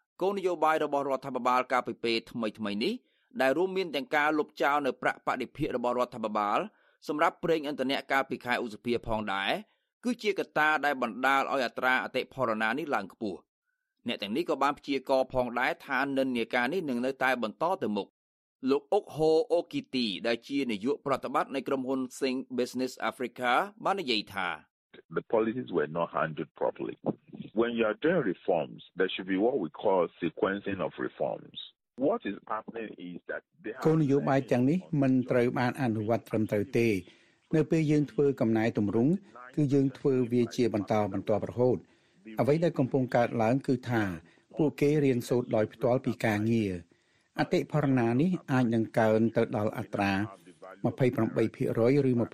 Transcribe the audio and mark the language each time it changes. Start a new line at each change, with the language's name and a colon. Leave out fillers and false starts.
Khmer: គោលនយោបាយរបស់រដ្ឋាភិបាលកាលពីពេលថ្មីៗនេះដែលរួមមានទាំងការលុបចោលនៅប្រាក់បដិភាករបស់រដ្ឋាភិបាលសម្រាប់ប្រេងឥន្ធនៈកាលពីខែឧសភាផងដែរគឺជាកត្តាដែលបណ្ដាលឲ្យអត្រាអតិផរណានេះឡើងខ្ពស់អ្នកទាំងនេះក៏បានព្យាករផងដែរថានិន្នាការនេះនឹងនៅតែបន្តទៅមុខលោកអុកហូអូគីទីដែលជានាយកប្រតិបត្តិនៃក្រុមហ៊ុន Sing Business Africa បាននិយាយថា
English: The policies were not handled properly. When you are doing reforms, there should be what we call sequencing of reforms. What is happening is that they have
Khmer: គោលនយោបាយទាំងនេះមិនត្រូវបានអនុវត្តត្រឹមត្រូវទេនៅពេលយើងធ្វើកំណែទម្រង់គឺយើងធ្វើវាជាបន្តបន្តរហូតអ្វីដែលកំពុងកើតឡើងគឺថាពួកគេរៀនសូត្រដោយផ្ទាល់ពីការងារអតិផរណានេះអាចនឹងកើនទៅដល់អត្រា 28% ឬ